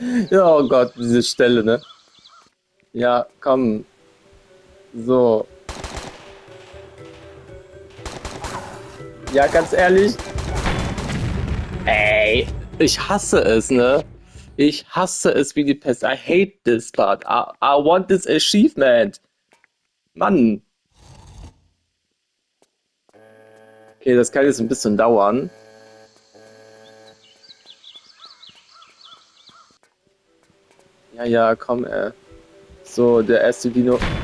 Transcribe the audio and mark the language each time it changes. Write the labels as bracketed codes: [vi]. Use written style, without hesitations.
[de] Ja, oh Gott, diese Stelle, ne? Ja, komm. So. Ja, ganz ehrlich. Ey, ich hasse es, ne? Ich hasse es wie die Pest. [en] I hate this part. I want this achievement. [de] Mann. Okay, das kann jetzt ein bisschen dauern. Ja, komm, ey. So, der erste Dino.